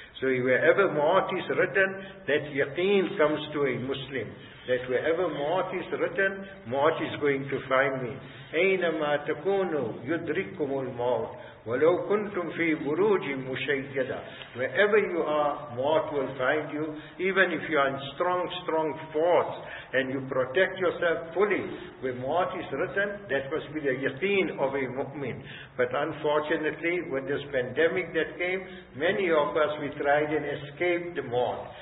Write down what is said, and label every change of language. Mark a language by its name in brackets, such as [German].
[English] So wherever maut is written, that yaqeen comes to a Muslim. That wherever maut is written, maut is going to find me. [Arabic] أينما تكونوا يدرككم الموت ولو كنتم في بروج مشيدة. [English] Wherever you are, maut will find you. Even if you are in strong force and you protect yourself fully, where maut is written, that must be the yaqeen of a mu'min. But unfortunately, with this pandemic that came, many of us, we tried and escaped the maut.